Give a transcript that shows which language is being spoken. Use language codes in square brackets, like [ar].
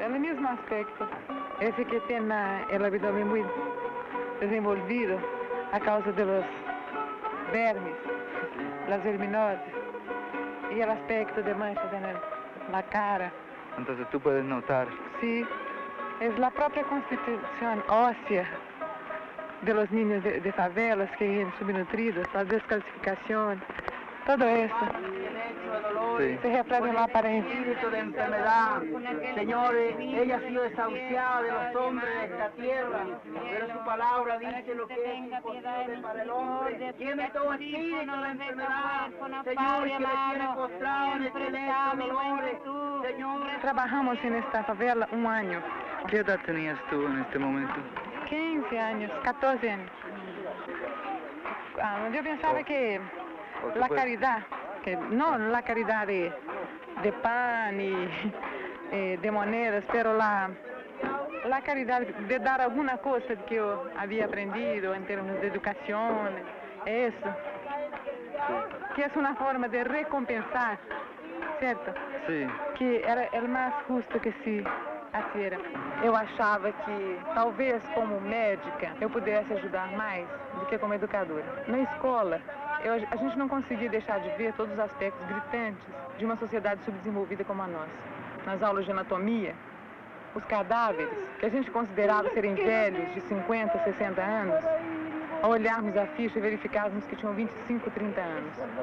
[pt] É o mesmo aspecto, esse que tem o abdômen muito desenvolvido a causa dos vermes, das verminoses, e o aspecto de mancha na cara. Então, tu podes notar? Sim, sí. É a própria constituição óssea dos meninos de favelas que vêm subnutridos, a descalcificação. [es] Todo eso se refleja en la apariencia. Espíritu de enfermedad, señores, ella ha sido desahuciada de los hombres de esta tierra, pero su palabra dice lo que es imposible para el hombre. ¿Quién me toma espíritu de enfermedad, señores, que me tiene postrado en este lecho de dolores, señores? Trabajamos en esta favela un año. ¿Qué edad tenías tú en este momento? 15 años, 14 años. Bueno, yo pensaba que... La caridad, que no la caridad de pan y de monedas, pero la caridad de dar alguna cosa que yo había aprendido en términos de educación, eso, que es una forma de recompensar, ¿cierto? Sí. Que era el más justo que se hiciera. Yo achava que tal vez como médica yo pudiese ayudar más do que como educadora. [pt] Na escola, a gente não conseguia deixar de ver todos os aspectos gritantes de uma sociedade subdesenvolvida como a nossa. Nas aulas de anatomia, os cadáveres, que a gente considerava serem velhos, de 50, 60 anos, ao olharmos a ficha, verificávamos que tinham 25, 30 anos.